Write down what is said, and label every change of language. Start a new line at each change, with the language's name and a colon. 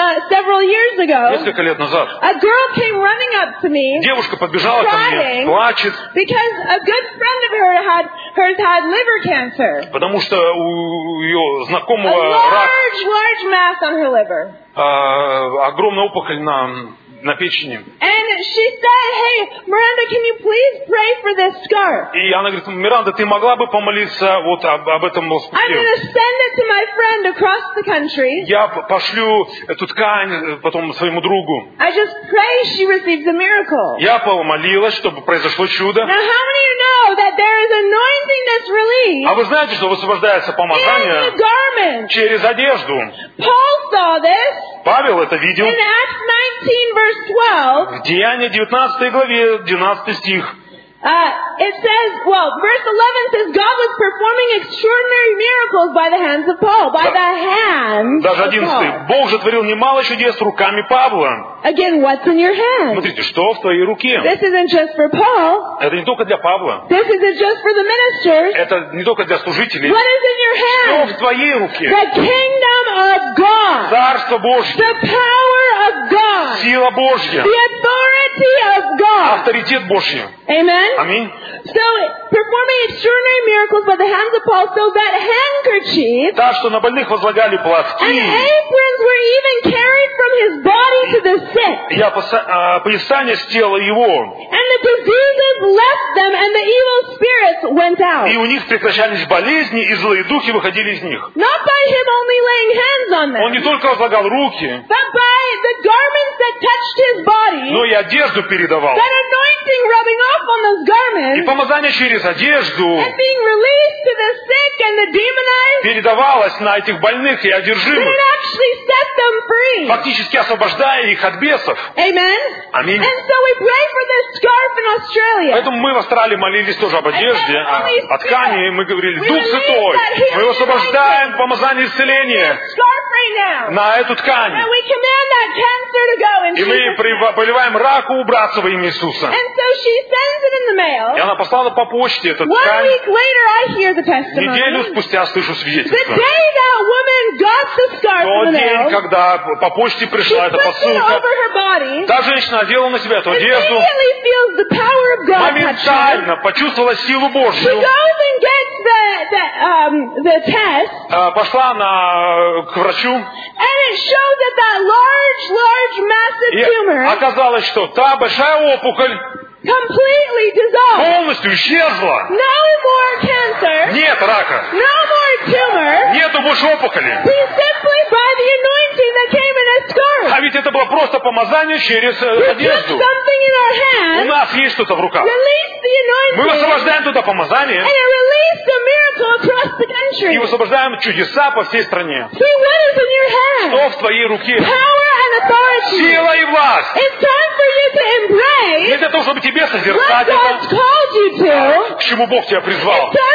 English: several years ago,
Russian: несколько лет назад,
English: a girl came running up to me,
Russian: девушка подбежала ко мне, плачет,
English: because a good friend of hers had liver cancer.
Russian: Потому что у ее знакомого
English: large mass on her liver.
Russian: Огромная опухоль на печени.
English: And she said, "Hey, Miranda, can you please pray for this scar?"
Russian: И она говорит: "Миранда, ты могла бы помолиться вот об этом лоскуте?"
English: I'm gonna send it to my friend across the country.
Russian: Я пошлю эту ткань потом своему другу.
English: I just pray she receives a miracle.
Russian: Я помолилась, чтобы произошло чудо.
English: Now, how many of you know that there is anointing that's released?
Russian: А вы знаете, что высвобождается помазание
English: garment?
Russian: Через одежду.
English: Paul saw this.
Russian: Павел это видел.
English: In Acts 19. Verse 12.
Russian: В Деяниях 19 главе 12 стих.
English: It says, well, verse 11 says God was performing extraordinary miracles by the hands of Paul, by the hands.
Russian: Даже 11. Бог же творил немало чудес руками Павла.
English: Again, what's in your hand?
Russian: Смотрите, что в твоей руке?
English: This isn't just for Paul.
Russian: Это не только для Павла.
English: This isn't just for the ministers.
Russian: Это не только для служителей.
English: What is in your hand?
Russian: Что в твоей руке?
English: The kingdom of God.
Russian: Царство Божье.
English: The power of God.
Russian: Сила Божья.
English: The authority of God.
Russian: Авторитет Божий.
English: Amen. Amen. So performing extraordinary miracles by the hands of Paul, so that handkerchief.
Russian: Да, что на больных возлагали платки.
English: And aprons were even carried from his body to the sick.
Russian: Я поясание с тела его.
English: And the diseases left them, and the evil spirits went out.
Russian: И у них прекращались болезни, и злые духи выходили из них.
English: Not by him only laying hands on them.
Russian: Он не только возлагал руки.
English: But by the garments that touched his body.
Russian: Но и одежду передавал.
English: That anointing rubbing off on those garments.
Russian: И помазание через одежду.
English: And being released to the sick and the demonized.
Russian: Передавалось на этих больных и одержимых.
English: It actually set them free.
Russian: Фактически освобождая их от бесов.
English: Amen.
Russian: Аминь.
English: And so we pray for this scarf in Australia.
Russian: Поэтому мы в Австралии молились тоже об одежде, о ткани, и мы говорили: Дух Святой, мы освобождаем помазание исцеления.
English: Scarf right now.
Russian: На эту ткань.
English: And we command that cancer to go in.
Russian: И мы повелеваем раку убраться во имя Иисуса.
English: And so she sends it in the mail.
Russian: И она послала по почте эту ткань.
English: One week later, I hear the testimony.
Russian: Неделю спустя слышу свидетельство.
English: The day that woman got the scarf in the mail.
Russian: Тот день, когда по почте пришла эта посылка.
English: Over her body.
Russian: Та женщина одела на себя эту одежду.
English: Immediately feels the power of God.
Russian: Моментально почувствовала силу Божью.
English: She goes and gets the test.
Russian: Пошла она к врачу.
English: And it showed that that large, massive tumor.
Russian: Оказалось, что та большая опухоль.
English: Completely dissolved.
Russian: Полностью исчезла.
English: No more cancer.
Russian: Нет рака.
English: No more tumor.
Russian: Нету больше опухоли.
English: He simply by the anointing that came in a scarf.
Russian: А ведь это было просто помазание через одежду.
English: We took something in our hands.
Russian: У нас есть что-то в руках.
English: Released the anointing.
Russian: Мы высвобождаем туда помазание.
English: And it released a miracle across the country.
Russian: И высвобождаем чудеса по всей стране.
English: See what is in your hands.
Russian: Что в твоей руке?
English: Power and authority.
Russian: Сила и власть.
English: It's time for you to embrace.
Russian: Чтобы тебе созерцать это, к чему Бог тебя призвал.